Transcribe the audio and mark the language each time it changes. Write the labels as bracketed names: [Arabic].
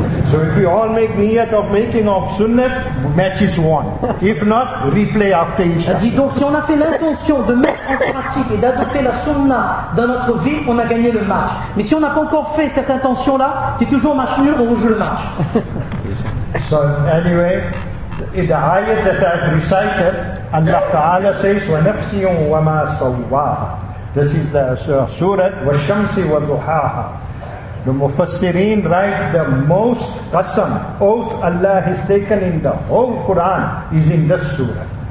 [English] So if we all make niyat of making of sunnah, match is won. If not, replay after Isha. [French] Dit donc si on a fait l'intention de mettre en pratique et d'adopter la sunnah dans notre vie, on a gagné le match. Mais si on n'a pas encore fait cette intention là, c'est toujours match nul, on rejoue le match. [English] So anyway, in the ayat that I've recited, Allah Ta'ala says, [Arabic] wa nafsiyun wa ma sawwaha. [English] This is the surah Washamsi wa Duhaha. The Mufassireen write the most qasam, oath Allah has taken in the whole Quran is in this surah.